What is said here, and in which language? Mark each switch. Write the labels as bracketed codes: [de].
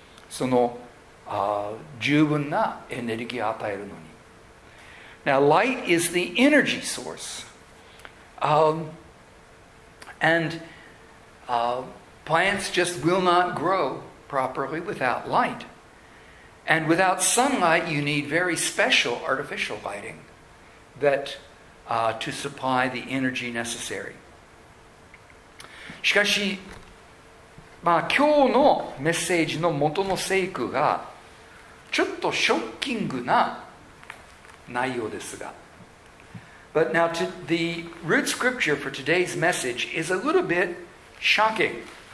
[ja] その十分なエネルギーを与えるのに。 [en] Now, light is the energy source. Plants just will not grow properly without light. And without sunlight, you need very special artificial lighting to supply the energy necessary. [ja] しかし、今日のメッセージの元の聖句がちょっとショッキングな内容ですが。 [en] But now, the root scripture for today's message is a little bit shocking.